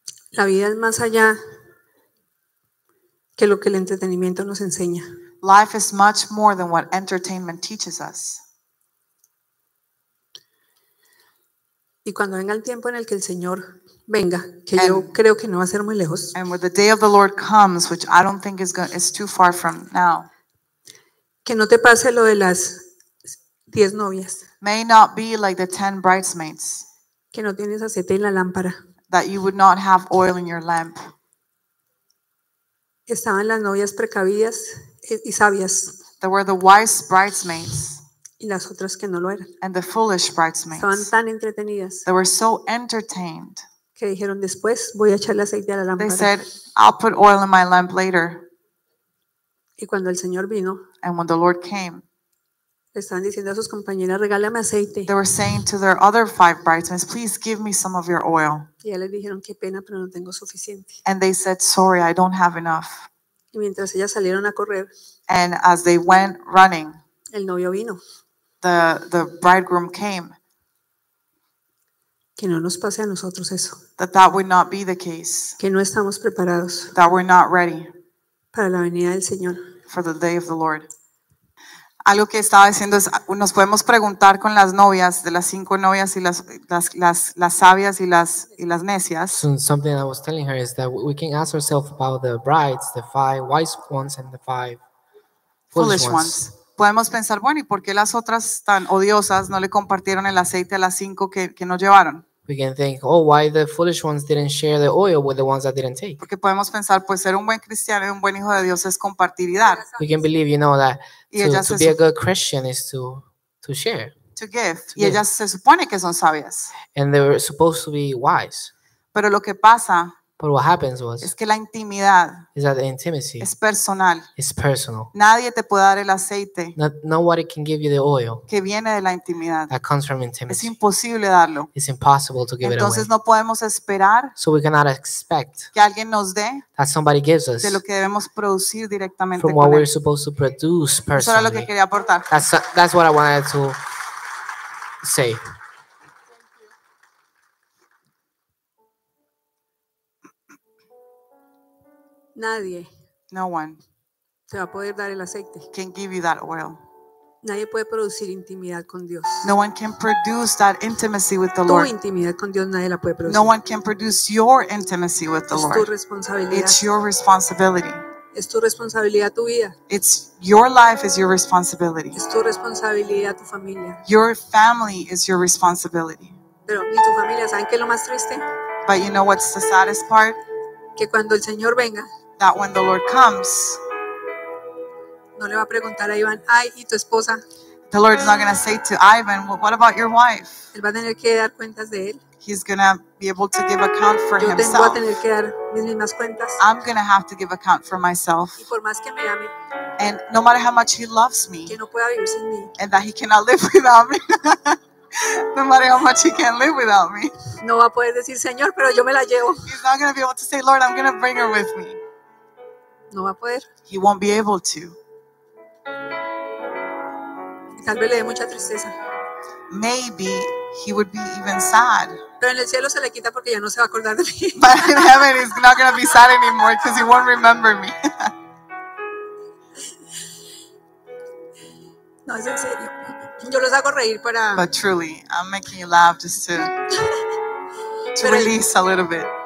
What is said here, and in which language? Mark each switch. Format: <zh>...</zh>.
<es>La vida es más allá que lo que el entretenimiento nos enseña.</es> <en>Life is much more than what entertainment teaches us.</en> <es>Y cuando venga el tiempo en el que el Señor venga, yo creo que no va a ser muy lejos.</es> <en>And when the day of the Lord comes, which I don't think is too far from now.</en> <es>Que no te pase lo de las 10 novias.</es> <en>May not be like the 10 bridesmaids.</en> <es>Que no tienes aceite en la lámpara.</es> <en>That you would not have oil in your lamp.</en> <es>Estaban las novias precavidas y sabias.</es> <en>There were the wise bridesmaids.</en> <es>Y las otras que no lo eran.</es> <en>And the foolish bridesmaids.</en> <es>Estaban tan entretenidas.</es> <en>They were so entertained.</en> <es>Que dijeron después voy a echarle aceite a la lámpara.</es> <en>They said I'll put oil in my lamp later.</en> <es>Y cuando el Señor vino.</es> <en>And when the Lord came.</en> <es>Estaban diciendo a sus compañeras regálame aceite.</es> <en>They were saying to their other five bridesmaids please give me some of your oil.</en> <es>Y ellas dijeron qué pena pero no tengo suficiente.</es> <en>And they said sorry I don't have enough.</en> <es>Y mientras ellas salieron a correr.</es> <en>And as they went running.</en> <es>El novio vino.</es> <en>The bridegroom came.</en> <es>Que no nos pase a nosotros eso.</es> <en>That would not be the case.</en> <es>Que no estamos preparados.</es> <en>That we're not ready.</en> <es>Para la venida del Señor.</es> <en>For the day of the Lord.</en> <es>Algo que estaba diciendo es, nos podemos preguntar con las novias, de las cinco novias y las sabias y las necias.</es> <en>Something I was telling her is that we can ask ourselves about the brides, the five wise ones and the five foolish ones.</en> <es>Podemos pensar, bueno, ¿y por qué las otras tan odiosas no le compartieron el aceite a las cinco que no llevaron?</es> <en>We can think, oh, why the foolish ones didn't share the oil with the ones that didn't take?</en> <es>Porque podemos pensar, pues ser un buen cristiano y un buen hijo de Dios es compartir y dar.</es> <en>We can believe, you know, that to be a good Christian is to share. To give. To y give.</en> <es>Ellas se supone que son sabias.</es> <en>And they were supposed to be wise.</en> <es>Pero lo que pasa.</es> <en>But what happens was,</en> <es>es que la intimidad</es> <en>is that the intimacy</en> <es>es personal.</es> <en>Is personal.</en> <es>Nadie te puede dar el aceite.</es> <en>Nobody can give you the oil</en> <es>que viene de la intimidad.</es> <en>That comes from intimacy.</en> <es>Es imposible darlo.</es> <en>It's impossible to give.</en> <es>Entonces</es> <en>it away.</en> <es>No podemos esperar.</es> <en>So we cannot expect</en> <es>que alguien nos dé</es> <en>that somebody gives us</en> <es>de lo que debemos producir directamente</es> <en>from</en> <es>con</es> <en>what</en> <es>él.</es> <en>We're supposed to produce personally.</en> <es>Eso era lo que quería aportar.</es> <en>That's what I wanted to say.</en> <es>Nadie.</es> <en>No one.</en> <es>Te va a poder dar el aceite.</es> <en>Can give you that oil.</en> <es>Nadie puede producir intimidad con Dios.</es> <en>No one can produce that intimacy with the</en> <es>tu</es> <en>Lord.</en> <es>Tu intimidad con Dios nadie la puede producir.</es> <en>No one can produce your intimacy with the</en> <es>es</es> <en>Lord.</en> <es>Es tu responsabilidad.</es> <en>It's your responsibility.</en> <es>Es tu responsabilidad tu vida.</es> <en>It's your life is your responsibility.</en> <es>Es tu responsabilidad tu familia.</es> <en>Your family is your responsibility.</en> <es>Pero ni tu familia, ¿saben qué es lo más triste?</es> <en>But you know what's the saddest part?</en> <es>Que cuando el Señor venga,</es> <en>that when the Lord comes,</en> <es>no le va a preguntar a Iván, ay, ¿y tu esposa?</es> <en>The Lord is not going to say to Ivan, well, what about your wife?</en> <es>Él va a tener que dar cuentas de él.</es> <en>He's going to be able to give account for</en> <es>yo tengo</es> <en>himself.</en> <es>A tener que dar mis mismas cuentas.</es> <en>I'm going to have to give account for myself.</en> <es>Y por más que me ame,</es> <en>and no matter how much he loves me,</en> <es>que no pueda vivir sin mí,</es> <en>and that he cannot live without me. No matter how much he can live without me.</en> <es>No va a poder decir, Señor, pero yo me la llevo.</es> <en>He's not going to be able to say, Lord, I'm going to bring her with me.</en> <es>No va a poder.</es> <en>He won't be able to.</en> <es>Tal vez le dé mucha tristeza.</es> <en>Maybe he would be even sad.</en> <es>Pero en el cielo se le quita porque ya no se va a acordar de mí.</es> <en>But in heaven he's not going to be sad anymore because he won't remember me.</en> <es>No, es en serio. Yo los hago reír para.</es> <en>But truly, I'm making you laugh just to release a little bit.</en>